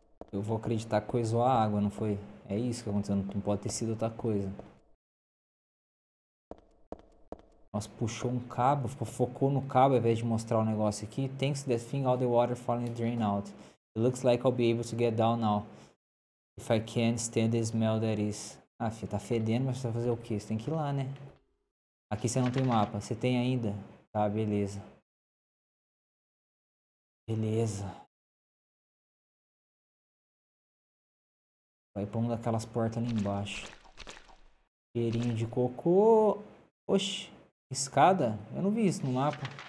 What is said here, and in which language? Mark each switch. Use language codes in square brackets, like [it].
[pt] Eu vou acreditar que coisou a água, não foi? É isso que aconteceu, não pode ter sido outra coisa. Nossa, puxou um cabo, focou no cabo ao invés de mostrar o negócio aqui. [en] Thanks to that thing, all the water finally drained out. It looks like I'll be able to get down now. If I can stand the smell that is. [pt] Ah, filho, tá fedendo, mas você vai fazer o quê? Você tem que ir lá, né? Aqui você não tem mapa. Você tem ainda? Tá, beleza. Beleza. Vai pra uma daquelas portas ali embaixo. Cheirinho de cocô. Oxi. Escada? Eu não vi isso no mapa.